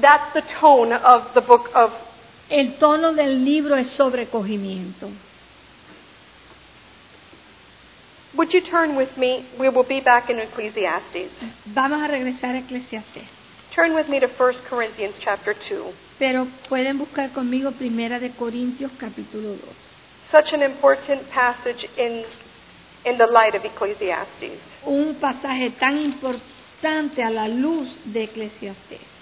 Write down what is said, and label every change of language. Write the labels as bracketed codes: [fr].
[en] That's the tone of the book of. [es] El tono del libro es sobrecogimiento. [en] Would you turn with me? We will be back in Ecclesiastes. [es] Vamos a regresar a Ecclesiastes. [en] Turn with me to 1 Corinthians chapter 2. [es] Pero pueden buscar conmigo Primera de Corintios capítulo 2. [en] Such an important passage in the light of Ecclesiastes. [es] Un pasaje tan importante a la luz de Ecclesiastes.